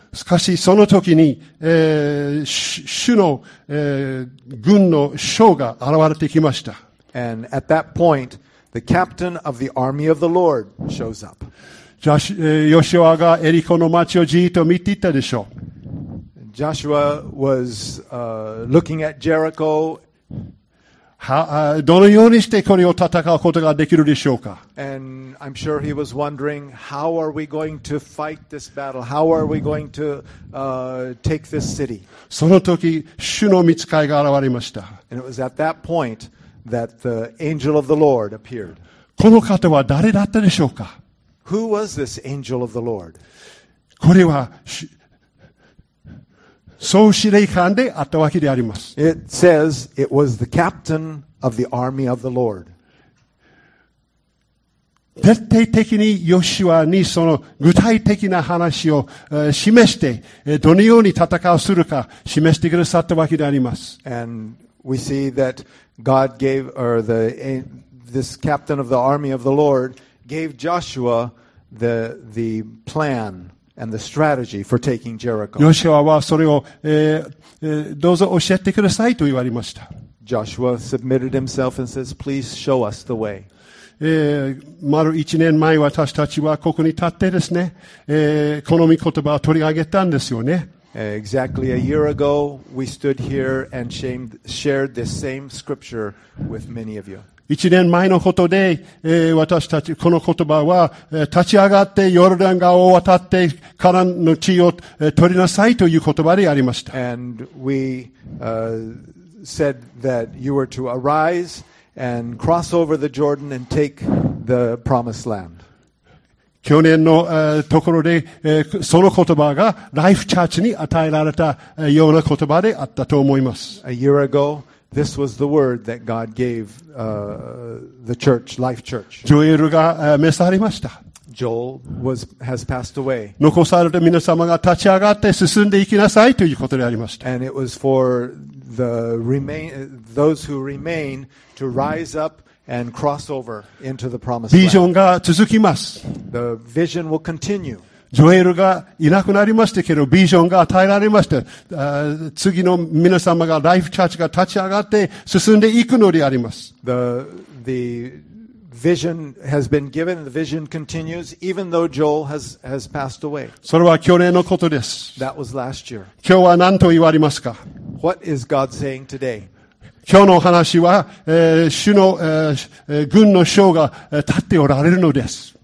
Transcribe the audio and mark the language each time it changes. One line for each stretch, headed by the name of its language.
Japanese: しかしその時に、主の、軍の将が現れてきました。
English: And at that point, the captain of the army of the Lord shows up.
Japanese: Joshua がエリコの町をじっと見ていたでしょう。
English: Joshua was looking at Jericho.
Japanese: どのようにしてこれを戦うことができるでしょうか。
English: And I'm sure he was wondering, how are we going to fight this battle? How are we going to take this city?
Japanese: その時、主の御使いが現れました。
English: And it was at that point. That the angel of the Lord appeared.
Japanese: この方は誰だったでしょうか。
English: Who was this angel of the Lord?
Japanese: これは総司令官であったわけであります。
English: It says it was the captain of the army of the Lord.
Japanese: 徹底的にヨシュアにその具体的な話を示して、どのように戦わするか示してくださったわけであります。
English: And we see that. God gave, or the, this captain of the army of the Lord gave Joshua the plan and the strategy for taking Jericho.
Japanese: Joshua はそれを、どうぞ教えてくださいと言われました。
English: Joshua submitted himself and says, please show us the way.
Japanese: 丸一年前私たちはここに立ってですね、この御言葉を取り上げたんですよね。
English: Exactly a year ago, we stood here and shared this same scripture with many of you.
Japanese: 一年前のことで、私たちこの言葉は、立ち上がってヨルダン川を渡ってカナンの地を、取りなさいという言葉でありました。
English: And we, said that you were to arise and cross over the Jordan and take the promised land.
Japanese: 去年のところで、その言葉がライフチャーチに与えられたような言葉であったと思います。
English: A year ago, this was the word that God gave, the church, life church.
Japanese: ジョエルが召されました。
English: Joel has passed away.
Japanese: 残された皆様が立ち上がって進んでいきなさいということでありました。
English: And it was for those who remain to rise up and cross over into the promised land.
Japanese: ビジョンが続きます。
English: The vision will continue.
Japanese: ジョエルがいなくなりましたけど、ビジョンが与えられました。次の皆様が、ライフチャーチが立ち上がって進んでいくのであります。
English: The vision has been given, the vision continues, even though Joel has passed away.
Japanese: それは去年のことです。
English: That was last year.
Japanese: 今日は何と言われますか？
English: What is God saying today?
Japanese: 今日の話は、主の、軍の将が立っておられるのです。